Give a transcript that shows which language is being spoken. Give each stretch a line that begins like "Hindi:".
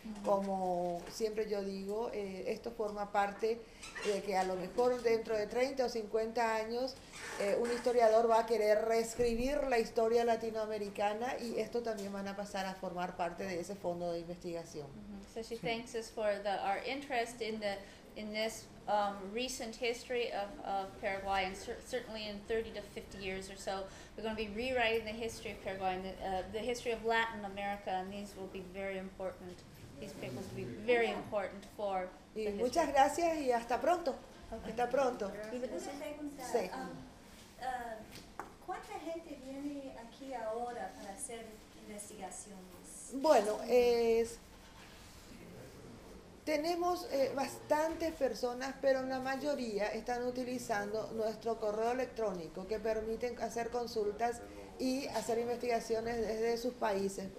Spanish: Como siempre yo digo, esto forma parte de que a lo mejor dentro de 30 o 50 años un historiador va a querer reescribir la historia latinoamericana y esto también van a pasar a formar parte de ese fondo de investigación. Mm-hmm.
English: So she thanks us for our interest in this recent history of Paraguay, and certainly in 30 to 50 years or so, we're going to be rewriting the history of Paraguay, and the history of Latin America, and these will be very important. These papers will be very important for the history.
Spanish: Y muchas gracias y hasta pronto.
English: Okay.
Spanish: Hasta pronto. Gracias. Sí. ¿Cuánta gente viene aquí ahora para hacer investigaciones? Bueno, tenemos bastantes personas, pero la mayoría están utilizando nuestro correo electrónico que permiten hacer consultas y hacer investigaciones desde sus países.